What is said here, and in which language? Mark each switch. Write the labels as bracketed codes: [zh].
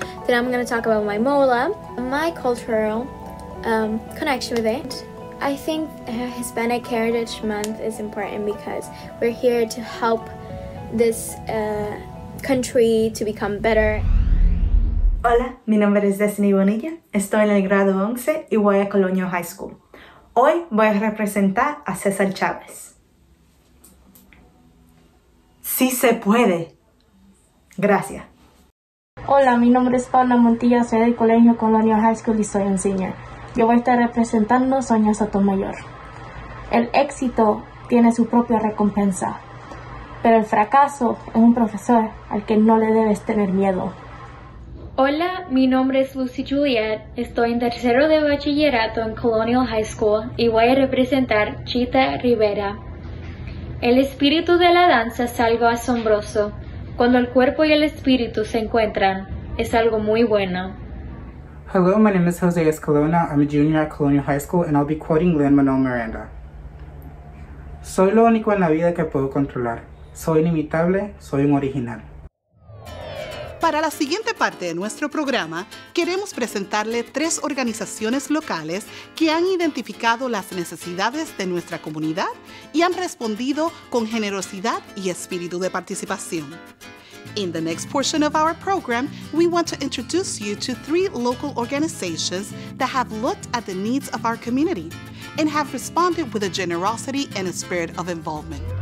[en] Today I'm going to talk about my MOLA, my cultural connection with it. I think Hispanic Heritage Month is important because we're here to help this country to become better. [es] Hola, mi nombre es Destiny Bonilla. Estoy en el grado 11 y voy a Colonial High School. Hoy voy a representar a César Chávez. ¡Sí se puede! Gracias. Hola, mi nombre es Paula Montilla. Soy del Colegio Colonial High School y soy un senior. Yo voy a estar representando Sonia Sotomayor. El éxito tiene su propia recompensa, pero el fracaso es un profesor al que no le debes tener miedo. Hola, mi nombre es Lucy Juliet. Estoy en tercero de bachillerato en Colonial High School y voy a representar Chita Rivera. El espíritu de la danza es algo asombroso. Cuando el cuerpo y el espíritu se encuentran, es algo muy bueno. [en] Hello, my name is Jose Escalona. I'm a junior at Colonial High School and I'll be quoting Lin-Manuel Miranda. [es] Soy lo único en la vida que puedo controlar. Soy inimitable, soy un original. Para la siguiente parte de nuestro programa, queremos presentarle tres organizaciones locales que han identificado las necesidades de nuestra comunidad y han respondido con generosidad y espíritu de participación. [en] In the next portion of our program, we want to introduce you to three local organizations that have looked at the needs of our community and have responded with a generosity and a spirit of involvement.